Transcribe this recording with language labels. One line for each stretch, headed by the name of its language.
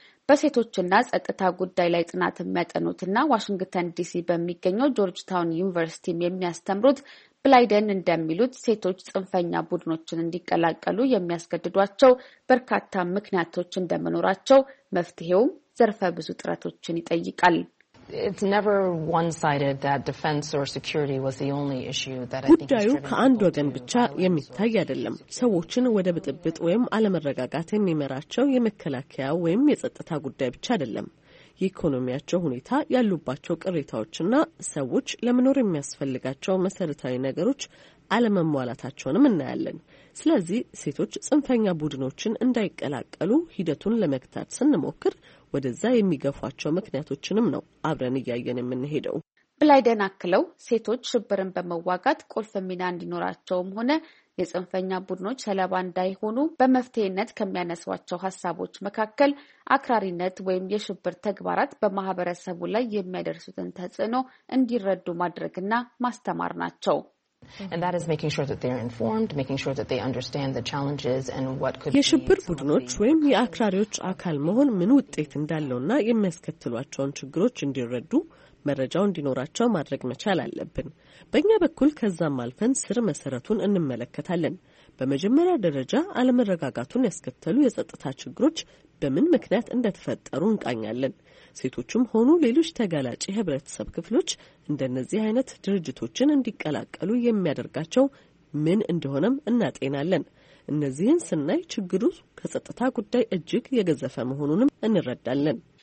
Amharic: በሴቶችና ጸጥታ ጉዳይ ላይ ጥናት የሚያጠኑትና ዋሽንግተን ዲሲ በሚገኘው ጆርጅ ታውን ዩኒቨርሲቲ የሚያስተምሩት ብላይደን እንደሚሉት ሴቶች ጽንፈኛ ቡድኖችን እንዲቀላቀሉ የሚያስገድዷቸው በርካታ ምክንያቶች እንደመኖራቸው መፍትሄውም ዘርፈ ብዙ ጥረቶችን ይጠይቃል።
English: It's never one-sided that defense or security was the only issue that I think
Amharic: ጉዳዩ ከአንድ ወገን ብቻ የሚታይ አይደለም። ሰዎችን ወደ ብጥብጥ ወይም አለመረጋጋት የሚመራቸው የመከላከያ ወይም የጸጥታ ጉዳይ ብቻ አይደለም። የኢኮኖሚያቸው ሁኔታ ያሉባቸው ቅሬታዎችና ሰዎች ለመኖር የሚያስፈልጋቸው መሰረታዊ ነገሮች አለመሟላታቸውንም እናያለን። ስለዚህ ሴቶች ጽንፈኛ ቡድኖችን እንዳይቀላቀሉ ሂደቱን ለመክታት ስንሞክር ወደዛ የሚገፋቸው ምክንያቶችንም ነው አብረን እያየን የምንሄደው። ብላይደን አክለው ሴቶች ሽብርን በመዋጋት ቁልፍ ሚና እንዲኖራቸውም ሆነ የጽንፈኛ ቡድኖች ሰለባ እንዳይሆኑ በመፍትሄነት ከሚያነሷቸው ሐሳቦች መካከል አክራሪነት ወይም የሽብር ተግባራት በማህበረሰቡ ላይ የሚያደርሱትን ተጽዕኖ እንዲረዱ ማድረግና ማስተማር ናቸው።
English: And that is making sure that they are informed, making sure that they understand the challenges and what could be
Amharic: የሽብር ቡድኖች ወይም የአክራሪዎች አካል መሆን ምን ውጤት እንዳለውና የሚያስከትሏቸውን ችግሮች እንዲረዱ መረጃው እንዲኖራቸው ማድረግ መቻል አለብን። በእኛ በኩል ከዛም አልፈን ስር መሰረቱን እንመለከታለን። በመጀመሪያ ደረጃ አለመረጋጋቱን ያስከተሉ የጸጥታ ችግሮች በምን ምክንያት እንደተፈጠሩ እንቃኛለን። ሴቶችም ሆኑ ሌሎች ተጋላጭ የህብረተሰብ ክፍሎች እንደነዚህ አይነት ድርጅቶችን እንዲቀላቀሉ የሚያደርጋቸው ምን እንደሆነም እናጤናለን። እነዚህን ስናይ ችግሩ ከጸጥታ ጉዳይ እጅግ የገዘፈ መሆኑንም እንረዳለን።